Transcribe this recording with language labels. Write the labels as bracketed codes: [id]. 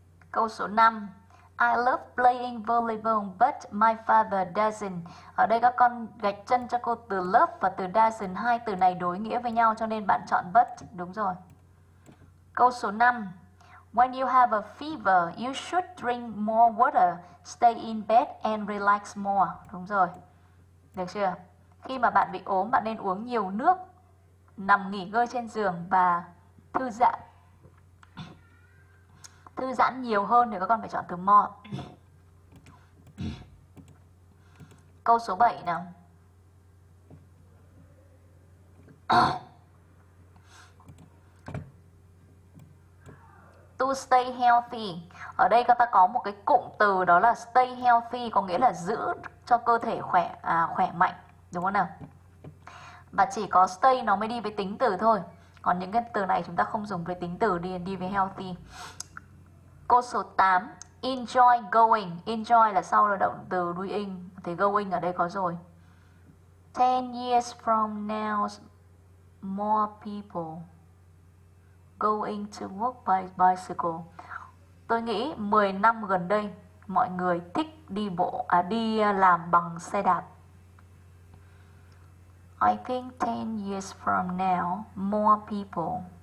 [vi] Câu số 5, [en] I love playing volleyball but my father doesn't. [vi] Ở đây các con gạch chân cho cô từ love và từ doesn't, hai từ này đối nghĩa với nhau cho nên bạn chọn but, đúng rồi. Câu số 5, [en] when you have a fever, you should drink more water, stay in bed and relax more. [vi] Đúng rồi, được chưa? Khi mà bạn bị ốm, bạn nên uống nhiều nước, nằm nghỉ ngơi trên giường và thư giãn nhiều hơn thì các con phải chọn từ more. Câu số 7 nào. Stay healthy. Ở đây các ta có một cái cụm từ đó là stay healthy, có nghĩa là giữ cho cơ thể khỏe, khỏe mạnh, đúng không nào? Và chỉ có stay nó mới đi với tính từ thôi. Còn những cái từ này chúng ta không dùng với tính từ, đi với healthy. Câu số 8, enjoy going. Enjoy là sau là động từ doing, thì going ở đây có rồi. [en] 10 years from now, more people going to work by bicycle. [vi] Tôi nghĩ 10 năm gần đây mọi người thích đi bộ, đi làm bằng xe đạp. [en] I think 10 years from now, more people.